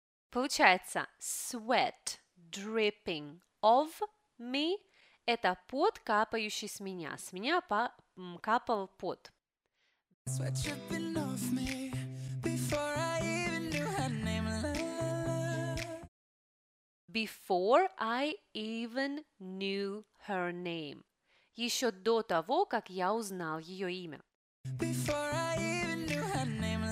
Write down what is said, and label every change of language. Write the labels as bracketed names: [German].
[Russian] Получается [English] «sweat dripping of me» [Russian] – это пот, капающий с меня. С меня капал пот. [English] Sweat dripping off me before I even knew her name. La, la, la. Before I even knew her name. [Russian] Еще до того, как я узнал ее имя. [English] Before I even knew her name.